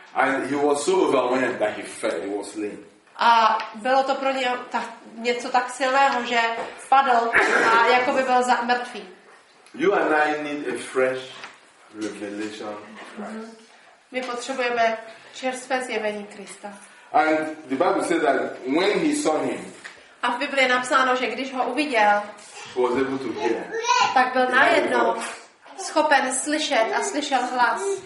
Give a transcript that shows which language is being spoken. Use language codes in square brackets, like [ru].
[en] And he was so overwhelmed that he fell, he was lame. [cs] A bylo to pro něho něco tak silného, že padl a jako by byl mrtvý. [en] You and I need a fresh revelation of Christ. [cs] My potřebujeme čerstvé zjevení Krista. [en] And the Bible says that when he saw him. [cs] A v Biblii je napsáno, že když ho uviděl, [en] was able to hear. [cs] Tak byl najednou schopen slyšet a slyšel hlas.